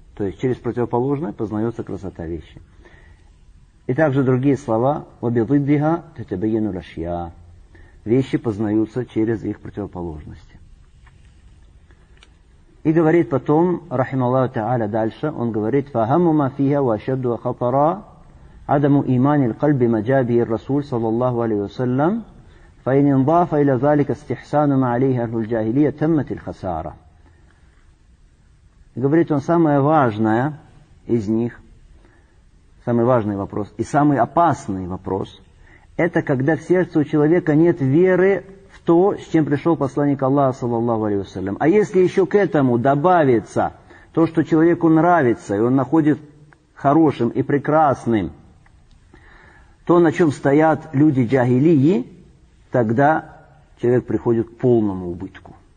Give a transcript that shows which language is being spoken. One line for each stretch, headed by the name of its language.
Russian: То есть через противоположное познается красота вещи. И также другие слова:
Arabic: «Вабидыддиха тетебеену рашья».
Russian: Вещи познаются через их противоположности. И говорит потом, рахималлаху та'аля, дальше, он говорит:
Arabic: «Фахамму ма фиха ва ашадду ва хатара адаму имани лькальби маджаби ир-расуль саллаллаху алейхи вассалям». فإن انضاف إلى ذلك استحسان ما عليه أهل الجاهلية تمت الخسارة.
Russian: И говорит он, самое важное из них, самый важный вопрос и самый опасный вопрос, это когда в сердце у человека нет веры в то, с чем пришел посланник Аллаха, саллаллаху алейхи ва саллям. А если еще к этому добавится то, что человеку нравится, и он находит хорошим и прекрасным, то, на чем стоят люди джагилии, тогда человек приходит к полному убытку.